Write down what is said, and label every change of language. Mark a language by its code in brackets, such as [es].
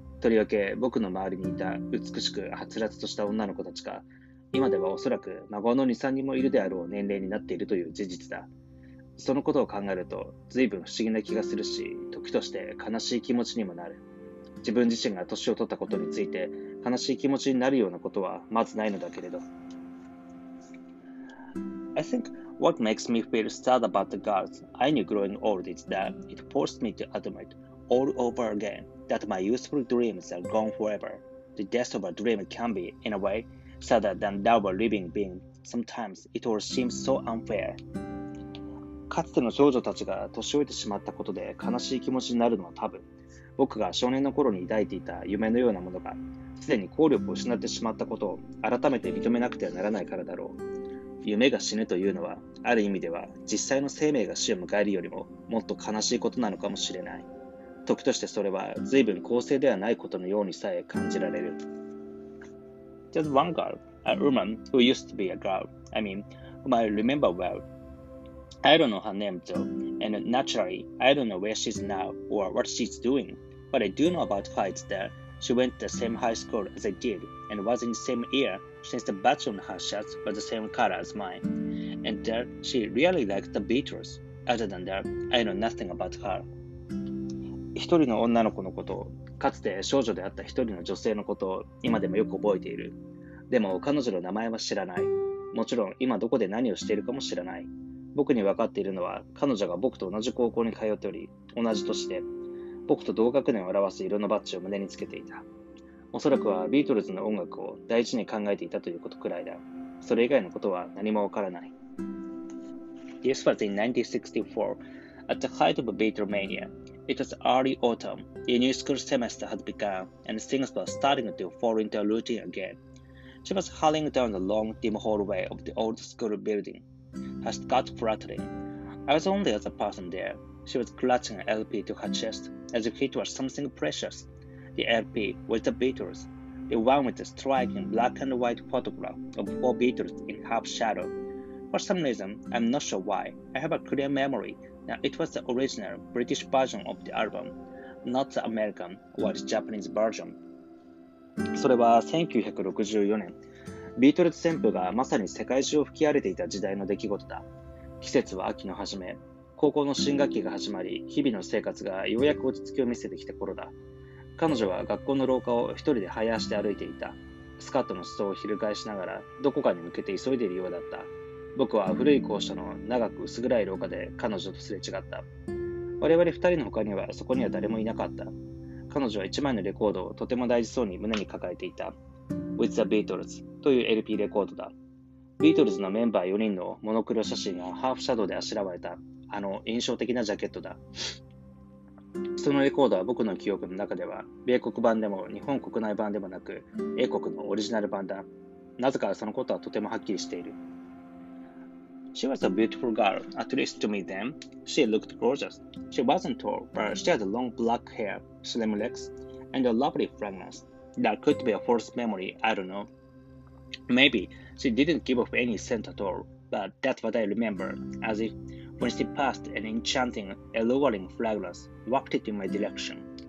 [ja] とりわけ僕の周りにいた美しくはつらつとした女の子たちが今ではおそらく孫の 2,3 人もいるであろう年齢になっているという事実だ。そのことを考えると随分不思議な気がするし、時として悲しい気持ちにもなる。自分自身が年を取ったことについて悲しい気持ちになるようなことはまずないのだけれど。 [en] I think what makes me feel sad about the girls I knew growing old is that it forced me to admit all over again that my youthful dreams are gone forever. The death of a dream can be, in a way, sadder than that of a living being. Sometimes it all seems so unfair. [ja] かつての少女たちが年老いてしまったことで悲しい気持ちになるのは多分、僕が少年の頃に抱いていた夢のようなものが、すでに効力を失ってしまったことを改めて認めなくてはならないからだろう。夢が死ぬというのは、ある意味では実際の生命が死を迎えるよりももっと悲しいことなのかもしれない。時としてそれは随分公正ではないことのようにさえ感じられる。 [en] There's one girl, a woman who used to be a girl, I mean, whom I remember well. I don't know her name though, and naturally, I don't know where she's now or what she's doing. What I do know about her is that she went to the same high school as I did and was in the same year since the badge on her shirt was the same color as mine. And that she really liked the Beatles. Other than that, I know nothing about her. [ja] 一人の女の子のこと、かつて少女であった一人の女性のことを今でもよく覚えている。でも彼女の名前は知らない。もちろん今どこで何をしているかも知らない。僕に分かっているのは、彼女が僕と同じ高校に通っており、同じ年で、僕と同学年を表す色のバッジを胸につけていた。おそらくはビートルズの音楽を大事に考えていたということくらいだ。それ以外のことは何も分からない。 [en] This was in 1964, at the height of Beatlemania. It was early autumn, the new school semester had begun, and things were starting to fall into a routine again. She was hurrying down the long, dim hallway of the old school building. Her skirt fluttering. I was only as a person there. She was clutching an LP to her chest, as if it were something precious. The LP was the Beatles, the one with the striking black and white photograph of four Beatles in half shadow. For some reason, I'm not sure why, I have a clear memory that it was the original British version of the album, not the American or the Japanese version. [ja] それは1964年。ビートルズ旋風がまさに世界中を吹き荒れていた時代の出来事だ。季節は秋の初め、高校の新学期が始まり、日々の生活がようやく落ち着きを見せてきた頃だ。彼女は学校の廊下を一人で早足で歩いていた。スカートの裾を翻しながら、どこかに向けて急いでいるようだった。僕は古い校舎の長く薄暗い廊下で彼女とすれ違った。我々二人の他にはそこには誰もいなかった。彼女は一枚のレコードをとても大事そうに胸に抱えていた。 With the Beatles という LP レコードだ。ビートルズのメンバー4人のモノクロ写真がハーフシャドウであしらわれた、あの印象的なジャケットだ。そのレコードは僕の記憶の中では、米国版でも日本国内版でもなく、英国のオリジナル版だ。なぜかそのことはとてもはっきりしている。 [en] She was a beautiful girl, at least to me then. She looked gorgeous. She wasn't tall, but she had long black hair, slim legs, and a lovely fragrance. That could be a false memory, I don't know. Maybe she didn't give off any scent at all, but that's what I remember, as if when she passed an enchanting, alluring fragrance wafted in my direction.